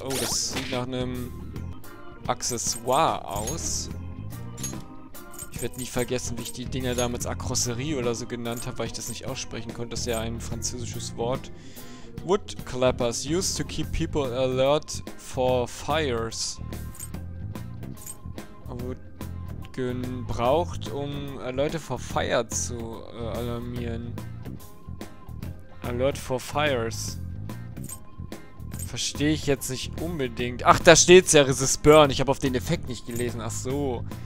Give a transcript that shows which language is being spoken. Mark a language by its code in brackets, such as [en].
[de] Oh, das sieht nach einem Accessoire aus. Ich werde nie vergessen, wie ich die Dinger damals Akrosserie oder so genannt habe, weil ich das nicht aussprechen konnte. Das ist ja ein französisches Wort. [en] Wood Clappers. Used to keep people alert for fires. [de] Wood gebraucht, um Leute vor Feuer zu alarmieren. [en] Alert for fires. [de] Verstehe ich jetzt nicht unbedingt. Ach, da steht's ja, Resist Burn. Ich habe auf den Effekt nicht gelesen. Ach so.